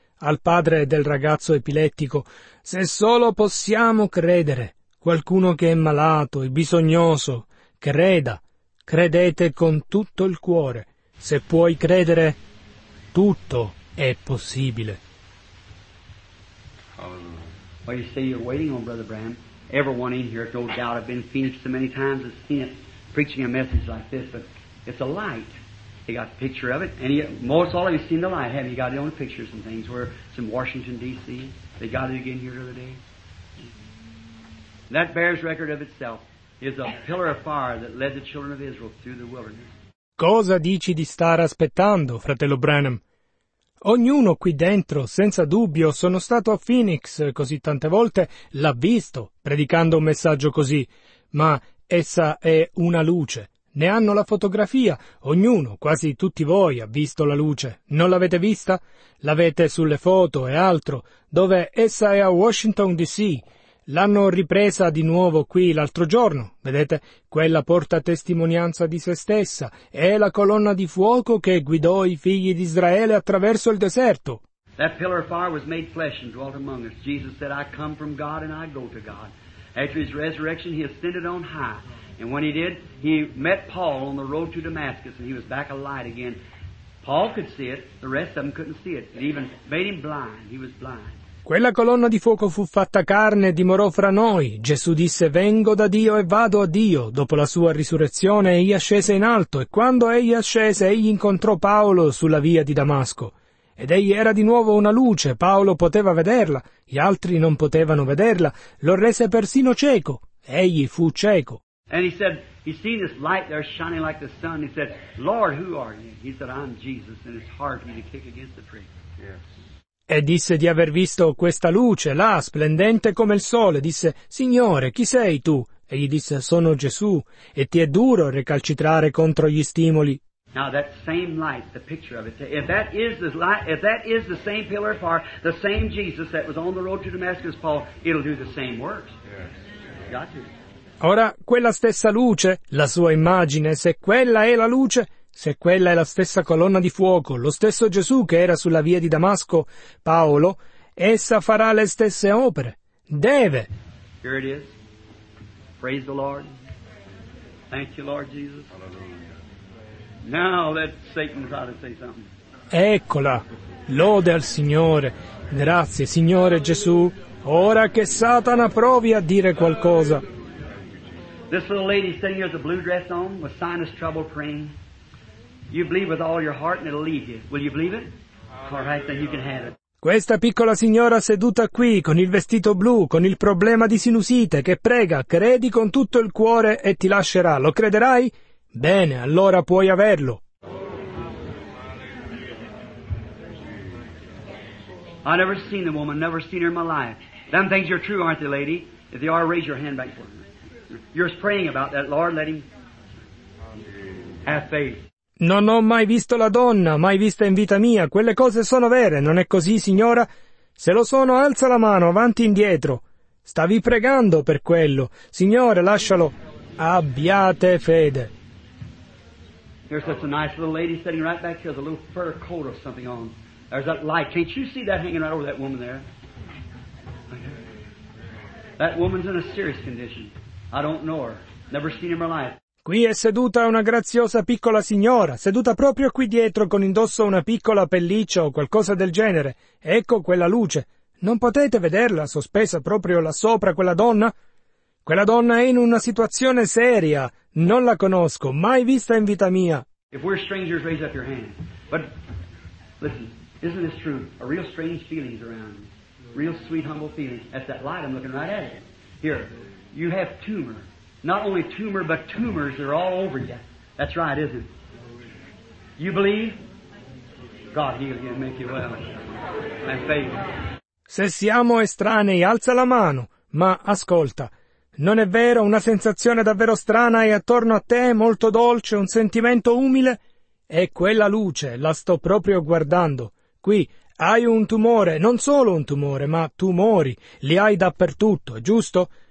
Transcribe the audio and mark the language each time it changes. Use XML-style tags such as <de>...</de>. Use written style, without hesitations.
<it>Al padre del ragazzo epilettico, se solo possiamo credere, qualcuno che è malato e bisognoso, creda, credete con tutto il cuore. Se puoi credere, tutto è possibile.</it> <en>Well, you say you're waiting on Brother Branham. Everyone in here, no doubt, have been finished so many times as seen it, preaching a message like this, but it's a light. He got a picture of it, and most all of you have seen the light, haven't you? He got it on pictures and things, where some Washington, D.C., they got it again here the other day. That bears record of itself. It's a pillar of fire that led the children of Israel through the wilderness.</en> <it>Cosa dici di star aspettando, fratello Branham? Ognuno qui dentro, senza dubbio, sono stato a Phoenix così tante volte, l'ha visto, predicando un messaggio così, ma essa è una luce. Ne hanno la fotografia. Ognuno, quasi tutti voi, ha visto la luce. Non l'avete vista? L'avete sulle foto e altro. Dove essa è a Washington, D.C. L'hanno ripresa di nuovo qui l'altro giorno. Vedete? Quella porta testimonianza di se stessa. È la colonna di fuoco che guidò i figli di Israele attraverso il deserto.</it> <en>That pillar of fire was made flesh and dwelt among us. Jesus said, I come from God and I go to God. After his resurrection, he ascended on high. And when he did, he met Paul on the road to Damascus, and he was back alight again. Paul could see it, the rest of them couldn't see it. It even made him blind. He was blind.</en> <it>Quella colonna di fuoco fu fatta carne e dimorò fra noi. Gesù disse, vengo da Dio e vado a Dio. Dopo la sua risurrezione, egli ascese in alto, e quando egli ascese, egli incontrò Paolo sulla via di Damasco. Ed egli era di nuovo una luce, Paolo poteva vederla, gli altri non potevano vederla, lo rese persino cieco, egli fu cieco.</it> <en>And he said, he seen this light there shining like the sun. He said, Lord, who are you? He said, I'm Jesus. And it's hard for me to kick against the prick. Yes.</en> <it>E disse di aver visto questa luce là, splendente come il sole. Disse, Signore, chi sei tu? E gli disse, sono Gesù. E ti è duro recalcitrare contro gli stimoli.</it> <en>Now that same light, the picture of it, if that is the same pillar of fire, the same Jesus that was on the road to Damascus, Paul, it'll do the same works. Yes. Got you.</en> <it>Ora, quella stessa luce, la sua immagine, se quella è la luce, se quella è la stessa colonna di fuoco, lo stesso Gesù che era sulla via di Damasco, Paolo, essa farà le stesse opere. Deve.</it> <en>Here it is. Praise the Lord. Thank you, Lord Jesus. Hallelujah. Now let Satan try to say something.</en> <it>Eccola. Lode al Signore. Grazie, Signore Gesù. Ora che Satana provi a dire qualcosa.</it> <en>This little lady sitting here with a blue dress on, with sinus trouble praying. You believe with all your heart and it'll leave you. Will you believe it? All right, then you can have it.</en> <it>Questa piccola signora seduta qui, con il vestito blu, con il problema di sinusite, che prega, credi con tutto il cuore e ti lascerà. Lo crederai? Bene, allora puoi averlo.</it> <en>I've never seen the woman, never seen her in my life. Them things are true, aren't they, lady? If they are, raise your hand back for me. You're praying about that, Lord, let him have faith.</en> <it>Non ho mai visto la donna, mai vista in vita mia. Quelle cose sono vere, non è così, signora? Se lo sono, alza la mano, avanti e indietro. Stavi pregando per quello. Signore, lascialo. Abbiate fede.</it> <en>There's such a nice little lady sitting right back here with a little fur coat or something on. There's that light. Can't you see that hanging right over that woman there? That woman's in a serious condition. I don't know her. Never seen her in my life.</en> <it>Qui è seduta una graziosa piccola signora, seduta proprio qui dietro con indosso una piccola pelliccia o qualcosa del genere. Ecco quella luce. Non potete vederla sospesa proprio là sopra, quella donna? Quella donna è in una situazione seria. Non la conosco, mai vista in vita mia.</it> <en>If we're strangers, raise up your hand. But listen, isn't this true? A real strange feeling is around you. Real sweet, humble feeling. That's that light I'm looking right at. Here. You have tumor. Not only tumor, but tumors are all over you. That's right, isn't it? You believe? God heal you and make you well. And faith.</en> <it>Se siamo estranei, alza la mano, ma ascolta. Non è vero, una sensazione davvero strana è attorno a te, molto dolce, un sentimento umile? È quella luce, la sto proprio guardando. Qui, hai un tumore, non solo un tumore, ma tumori, li hai dappertutto, giusto?</it>